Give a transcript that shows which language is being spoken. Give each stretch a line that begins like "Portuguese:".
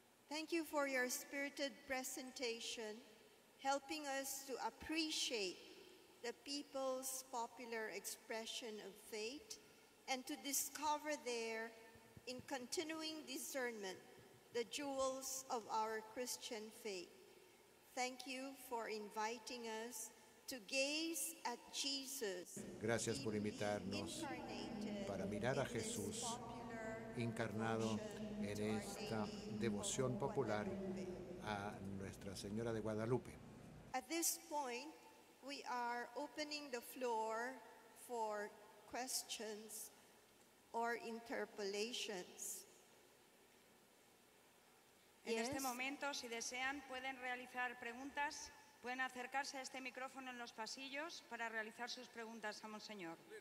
English: Thank you for your spirited presentation, helping us to appreciate the people's popular expression of faith and to discover there, in continuing discernment, the jewels of our Christian faith. Thank you for inviting us to gaze at Jesus.
Spanish: Gracias por invitarnos para mirar a Jesús encarnado en esta devoción popular a Nuestra Señora de Guadalupe.
English: At this point, we are opening the floor for questions or interpolations.
Spanish: En este momento, si desean, pueden realizar preguntas, pueden acercarse a este micrófono en los pasillos para realizar sus preguntas a Monseñor.